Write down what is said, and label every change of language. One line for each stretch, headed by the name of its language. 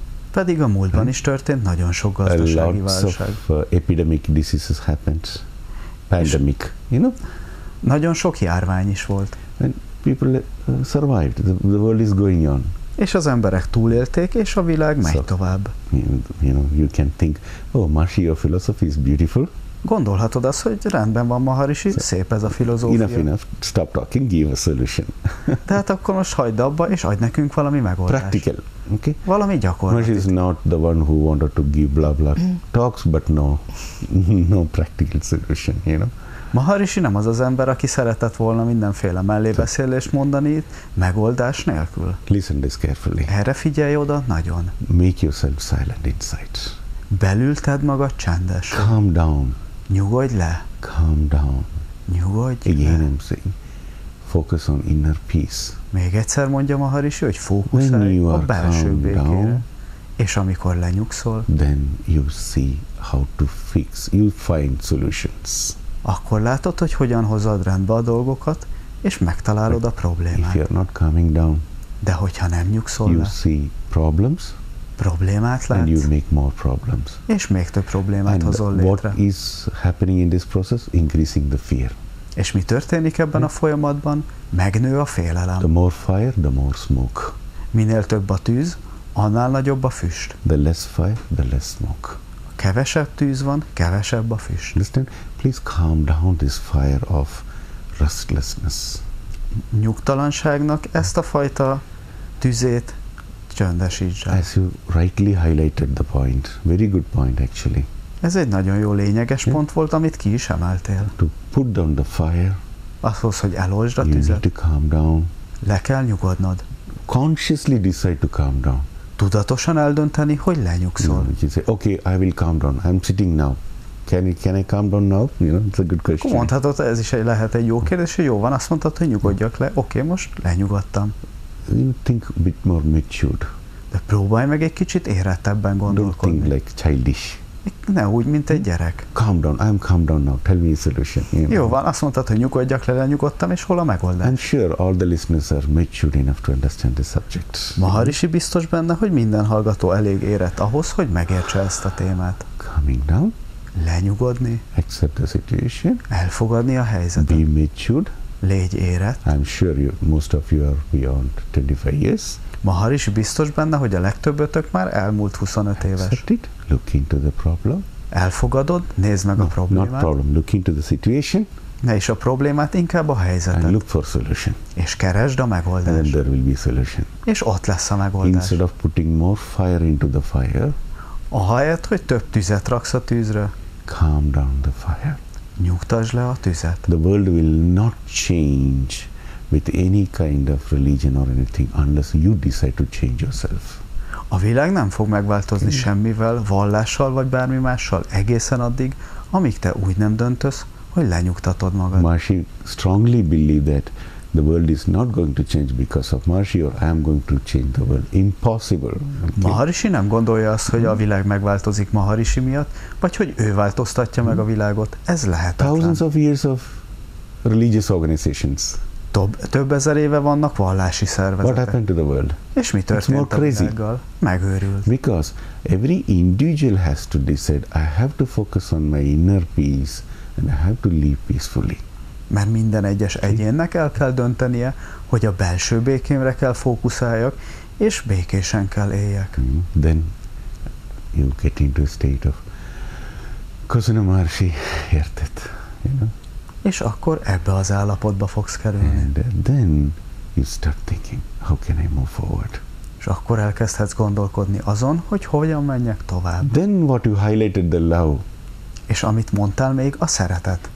Hungarian: Pedig a múltban is történt nagyon sok gazdasági válság.
English: Of epidemic diseases happened. Pandemic, you know?
Hungarian: Nagyon sok járvány is volt.
English: And people survived. The world is going on.
Hungarian: És az emberek túlélték, és a világ megy tovább.
English: You know, you can think, oh, Maharishi, your philosophy is beautiful.
Hungarian: Gondolhatod azt, hogy rendben van, Maharishi, szép ez a filozófia.
English: Enough, stop talking, give a solution.
Hungarian: De hát akkor most hagyd abba, és adj nekünk valami megoldást.
English: Practical, okay?
Hungarian: Valami gyakorlati.
English: Maharishi is not the one who wanted to give blah blah talks, but no practical solution, you know?
Hungarian: Maharishi nem az az ember, aki szeretett volna mindenféle mellébeszélést mondani megoldás nélkül.
English: Listen this carefully.
Hungarian: Erre figyelj oda nagyon.
English: Make yourself silent inside.
Hungarian: Belül tedd magad csendes.
English: Calm down.
Hungarian: Nyugodj le.
English: Calm down.
Hungarian: Nyugodj
English: again
Hungarian: le.
English: I'm saying, focus on inner peace.
Hungarian: Még egyszer mondja Maharishi, hogy fókuszálj a belső békére. És amikor lenyugszol,
English: then you see how to fix. You find solutions.
Hungarian: Akkor látod, hogy hogyan hozod rendbe a dolgokat, és megtalálod a problémát.
English: If you're not calming down,
Hungarian: de hogyha nem nyugszol
English: you
Hungarian: le,
English: see problems,
Hungarian: problémát látsz,
English: and you make more problems.
Hungarian: És még több problémát hozol létre.
English: What is happening in this process? Increasing the fear.
Hungarian: És mi történik ebben a folyamatban? Megnő a félelem.
English: The more fire, the more smoke.
Hungarian: Minél több a tűz, annál nagyobb a füst.
English: The less fire, the less smoke.
Hungarian: A kevesebb tűz van, kevesebb a füst.
English: Listen, please calm down this fire of restlessness.
Hungarian: Nyugtalanságnak ezt a fajta tűzét csöndesítsd el.
English: As you rightly highlighted the point, very good point actually.
Hungarian: Ez egy nagyon jó lényeges pont volt, amit ki is emeltél.
English: To put down the fire,
Hungarian: ahhoz, hogy elolsd a
English: you
Hungarian: tüzet,
English: need to calm down.
Hungarian: Le kell nyugodnod.
English: consciously decide to calm down.
Hungarian: Tudatosan eldönteni, hogy lenyugszol.
English: No, you say, okay, I will calm down. I'm sitting now. Can I calm down now? You know, it's a good question.
Hungarian: Mondhatod, ez is lehet egy jó kérdés, hogy jó van, azt mondtad, hogy nyugodjak le. Okay, most lenyugodtam.
English: You think a bit more matured.
Hungarian: De próbálj meg egy kicsit érettebben gondolkodni.
English: Don't think like childish.
Hungarian: Ne úgy, mint egy gyerek.
English: Calm down, I'm calm down now, tell me a solution. You know?
Hungarian: Jó van, azt mondtad, hogy nyugodjak le, lenyugodtam, és hol a megoldás?
English: I'm sure all the listeners are mature enough to understand the subject.
Hungarian: Maharishi biztos benne, hogy minden hallgató elég érett ahhoz, hogy megértse ezt a témát.
English: Calming down.
Hungarian: Lenyugodni.
English: Accept the situation.
Hungarian: Elfogadni a helyzetet.
English: Be matured.
Hungarian: Légy érett.
English: I'm sure you, most of you are beyond 25 years.
Hungarian: Maharishi biztos benne, hogy a legtöbbötök már elmúlt 25 éves.
English: Accept it. Look into the problem.
Hungarian: Elfogadod, nézd meg a problémát.
English: Not problem, look into the situation.
Hungarian: Ne is a problémát, inkább a helyzetet.
English: And look for solution.
Hungarian: És keresd a megoldást.
English: And then there will be solution.
Hungarian: És ott lesz a megoldás.
English: Instead of putting more fire into the fire.
Hungarian: Ahelyett, hogy több tüzet raksz a tűzre.
English: Calm down the fire.
Hungarian: Nyugtasd le a tüzet.
English: The world will not change with any kind of religion or anything unless you decide to change yourself.
Hungarian: A világ nem fog megváltozni semmivel, vallással vagy bármi mással egészen addig, amíg te úgy nem döntösz, hogy lenyugtatod magad.
English: Maharishi strongly believe that the world is not going to change because of Maharishi or I am going to change the world. Impossible. Okay?
Hungarian: Maharishi nem gondolja azt, hogy a világ megváltozik Maharishi miatt, vagy hogy ő változtatja meg a világot. Ez lehetetlen.
English: Thousands of years of religious organizations.
Hungarian: Több ezer éve vannak vallási szervezetek.
English: What happened to the world?
Hungarian: És mi történt
English: more crazy.
Hungarian: A világgal? Megőrült.
English: Because every individual has to decide, I have to focus on my inner peace, and I have to live peacefully.
Hungarian: Mert minden egyes egyénnek el kell döntenie, hogy a belső békémre kell fókuszáljak, és békésen kell éljek.
English: Then you get into a state of Kozuna Maharishi,
Hungarian: érted?
English: You know?
Hungarian: És akkor ebbe az állapotba fogsz kerülni.
English: And then you start thinking, how can I move forward?
Hungarian: És akkor elkezdhetsz gondolkodni azon, hogy hogyan menjek tovább.
English: Then what you highlighted, the love.
Hungarian: És amit mondtál még, a szeretet.